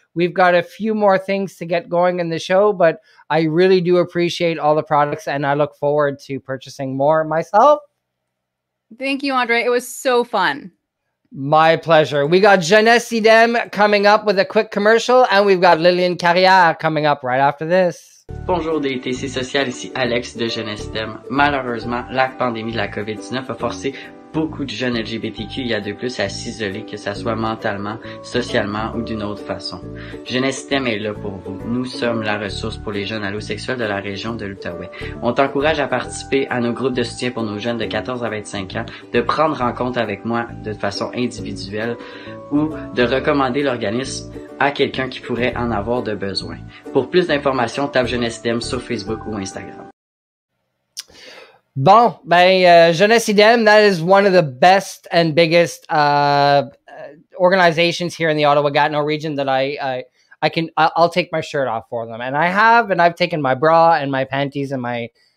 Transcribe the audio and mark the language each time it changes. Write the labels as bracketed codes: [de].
[en] We've got a few more things to get going in the show, but I really do appreciate all the products and I look forward to purchasing more myself. Thank you, Andre. It was so fun. My pleasure. We got Jeannette Sidem coming up with a quick commercial and we've got Lillian Carrière coming up right after this. [fr] Bonjour, DITC Social, ici Alex de Jeannette Sidem. Malheureusement, la pandémie de la COVID-19 a forcé beaucoup de jeunes LGBTQ, il y a de plus à s'isoler, que ça soit mentalement, socialement ou d'une autre façon. Genestem est là pour vous. Nous sommes la ressource pour les jeunes allosexuels de la région de l'Outaouais. On t'encourage à participer à nos groupes de soutien pour nos jeunes de 14 à 25 ans, de prendre rencontre avec moi de façon individuelle ou de recommander l'organisme à quelqu'un qui pourrait en avoir de besoin. Pour plus d'informations, tape Genestem sur Facebook ou Instagram. [en] Bon, Jeunesse Idem, that is one of the best and biggest organizations here in the Ottawa-Gatineau region that I'll take my shirt off for them. And I've taken my bra and my panties and my